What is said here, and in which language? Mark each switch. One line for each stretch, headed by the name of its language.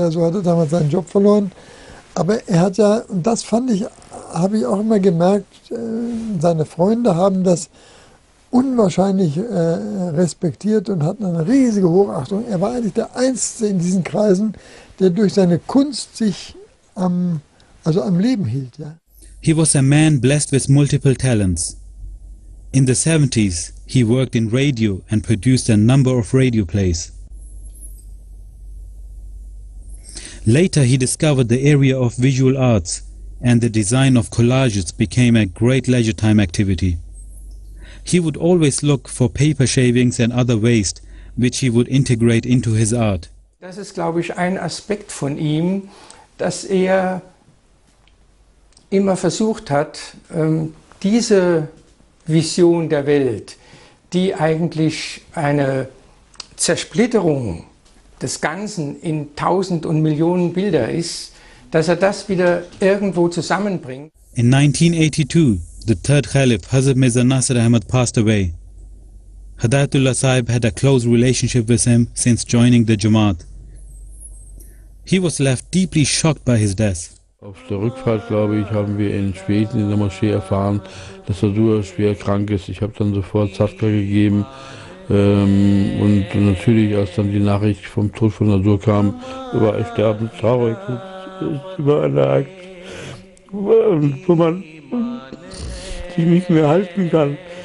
German: Ja, so hat er damals seinen Job verloren. Aber er hat ja, und das fand ich, habe ich auch immer gemerkt, seine Freunde haben das unwahrscheinlich respektiert und hatten eine riesige Hochachtung. Er war eigentlich der Einzige in diesen Kreisen, der durch seine Kunst sich am Leben hielt. Ja.
English: He was a man blessed with multiple talents. In the 70s, he worked in radio and produced a number of radio plays. Later, he discovered the area of visual arts, and the design of collages became a great leisure time activity. He would always look for paper shavings and other waste, which he would integrate into his art.
German: Das ist, glaube ich, ein Aspekt von ihm, dass er immer versucht hat, diese Vision der Welt, die eigentlich eine Zersplitterung des Ganzen in tausend und Millionen Bilder ist, dass er das wieder irgendwo zusammenbringt.
English: In 1982, the third Caliph, Hazrat Mirza Nasir Ahmad, passed away. Hadayatullah Sahib had a close relationship with him since joining the Jamaat. He was left deeply shocked by his death.
German: Auf der Rückfahrt, glaube ich, haben wir in Schweden in der Moschee erfahren, dass er sehr schwer krank ist. Ich habe dann sofort Zadka gegeben. Und natürlich, als dann die Nachricht vom Tod von Nasir kam, war ich sterbend traurig. Es war ein Ereignis, wo man sich nicht mehr halten kann.